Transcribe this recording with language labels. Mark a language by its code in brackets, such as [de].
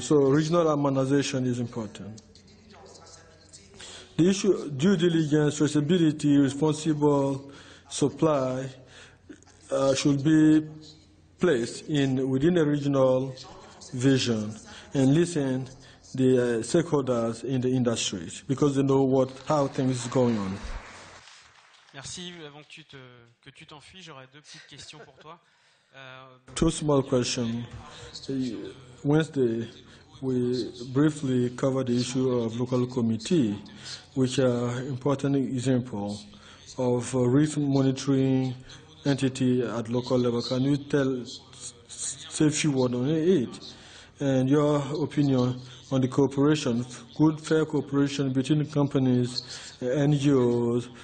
[en] So regional harmonization is important. The issue of due diligence, traceability, responsible supply should be placed in within a regional vision and listen the stakeholders in the industries because they know what how things is going on. [fr] Merci. Avant que tu t'enfuis, j'aurais deux petites questions pour toi. [en] Two small questions. Wednesday, we briefly covered the issue of local committee, which are important example of risk monitoring entity at local level. Can you tell say a few words on it and your opinion on the cooperation, good fair cooperation between companies, NGOs?